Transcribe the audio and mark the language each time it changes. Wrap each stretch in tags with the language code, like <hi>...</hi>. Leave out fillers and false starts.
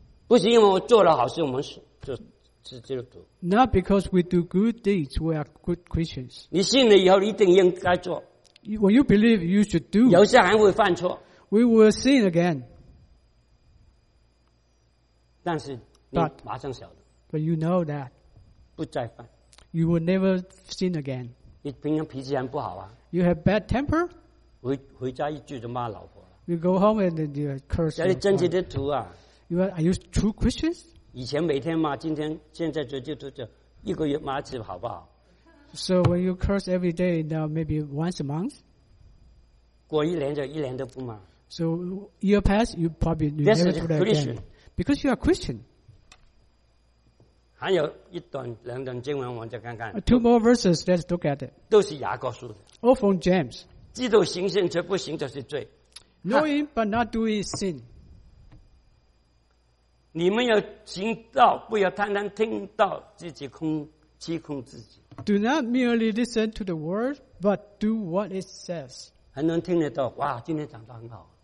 <zh>不是因为我做了好事，我们是基督徒。</zh> <en>Not because we do good deeds, we are good Christians.</en> <zh>你信了以后，一定应该做。</zh> <en>When you believe, you should do.</en> <zh>有些还会犯错。</zh> <en>We will sin again.</en> <zh>但是你马上晓得。</zh> <en>But you know that.</en> <zh>不再犯。</zh> <en>You will never sin again.</en> <zh>你平常脾气还不好啊。</zh> <en>You have bad temper.</en> <zh>回家一句就骂老婆。</zh> <en>You go home and then you curse.</en> <zh>这是真基督徒啊。</zh> <en>Are you true Christians?</en> <zh>以前每天骂，今天现在就一个月骂一次，好不好</zh> <en>？So when you curse every day, now maybe once a month.</en> <zh>过一年就一年都不骂。</zh> <en>So year pass, you probably never do that again. This is Christian because you are Christian.</en> <zh>还有一段两段经文，我们再看看。</zh> <en>Two more verses. Let's look at it.</en> <zh>都是雅各书的。</zh> <en>All from James.</en> <zh>知道行善却不行，就是罪。</zh> <en>Knowing but not doing is sin.</en> <zh>你们要行道，不要单单听到自己空欺空自己。</zh> <en>Do not merely listen to the word, but do what it says.</en> <zh>很多人听得到，哇，今天讲得很好。</zh>